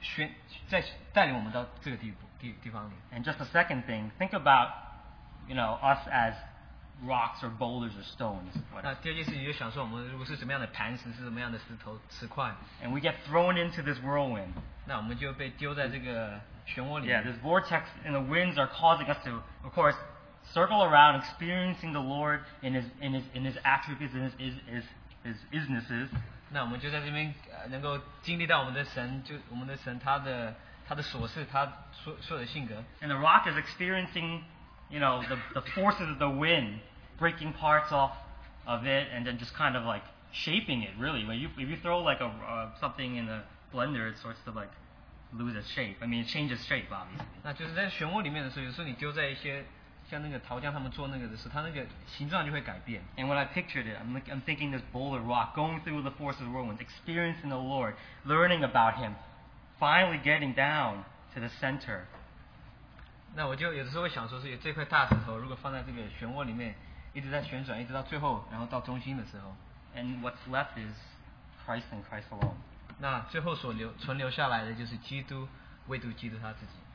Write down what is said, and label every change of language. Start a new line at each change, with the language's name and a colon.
Chinese: 所以他一直在带领我们一直往中心去，那中心就是最宁静，就是最得着安息的地方。他是宣在带领我们到这个地方里。
English: And just a second thing, think about, you know, us as rocks or boulders or stones.
Chinese: 那第二件事情就想说，我们如果是怎么样的磐石，是怎么样的石头石块。
English: And we get thrown into this whirlwind.
Chinese: 那我们就被丢在这个漩涡里。
English: Yeah, this vortex and the winds are causing us to, of course, circle around, experiencing the Lord in his attributes, in his isnesses.
Chinese: 那我们就在这边能够经历到我们的神，就我们的神，他的所事，他所有的性格。
English: And the rock is experiencing, you know, the forces of the wind breaking parts off of it, and then just kind of like shaping it. Really, when if you throw like something in a blender, it starts to like lose its shape. I mean, it changes shape, obviously.
Chinese: 那就是在漩涡里面的时候，有时候你丢在一些 像那个陶匠他们做那个的时候，它那个形状就会改变。
English: And when I pictured it, I'm thinking this boulder rock going through the force of the whirlwind, experiencing the Lord, learning about Him, finally getting down to the center.
Chinese: 那我就有的时候会想说，是这块大石头如果放在这个漩涡里面，一直在旋转，一直到最后，然后到中心的时候。
English: And what's left is Christ and Christ alone.
Chinese: 那最后所留存留下来的就是基督，唯独基督他自己。